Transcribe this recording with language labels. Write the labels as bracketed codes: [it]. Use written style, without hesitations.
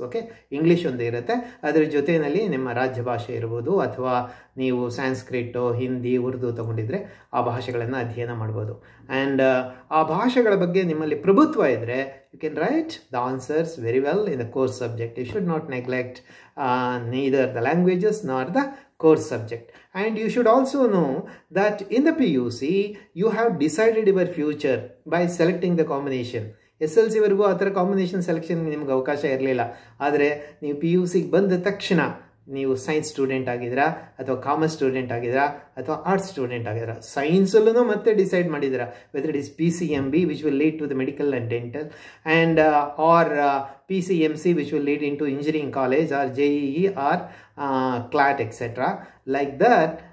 [kn] Okay, English ಒಂದು ಇರುತ್ತೆ, ಅದರ ಜೊತೆಯಲ್ಲಿ ನಿಮ್ಮ ರಾಜ್ಯ ಭಾಷೆ ಇರ್ಬೋದು ಅಥವಾ ನೀವು ಸಾನ್ಸ್ಕ್ರಿಟ್ಟು ಹಿಂದಿ ಉರ್ದು ತೊಗೊಂಡಿದ್ರೆ ಆ ಭಾಷೆಗಳನ್ನು ಅಧ್ಯಯನ ಮಾಡ್ಬೋದು. [en] and [kn] ಆ ಭಾಷೆಗಳ ಬಗ್ಗೆ ನಿಮ್ಮಲ್ಲಿ ಪ್ರಭುತ್ವ ಇದ್ದರೆ [en] You can write the answers very well in the course subject. You should not neglect neither the languages nor the course subject. And you should also know that in the PUC you have decided your future by selecting the combination. [kn] SLC ವರೆಗೂ ಆ ಥರ combination selection ನಿಮ್ಗೆ ಅವಕಾಶ ಇರಲಿಲ್ಲ. ಆದರೆ ನೀವು P U ಸಿಗೆ ಬಂದ ತಕ್ಷಣ ನೀವು ಸೈನ್ಸ್ ಸ್ಟೂಡೆಂಟ್ ಆಗಿದ್ದೀರಾ ಅಥವಾ ಕಾಮರ್ಸ್ ಸ್ಟೂಡೆಂಟ್ ಆಗಿದ್ದೀರಾ ಅಥವಾ ಆರ್ಟ್ಸ್ ಸ್ಟೂಡೆಂಟ್ ಆಗಿದ್ದೀರಾ, ಸೈನ್ಸಲ್ಲೂ ಮತ್ತೆ ಡಿಸೈಡ್ ಮಾಡಿದ್ದೀರಾ [en] Whether it is P C M B which will lead to the medical and dental and or P C M C which will lead in to engineering college or JEE or CLAT etcetera like that.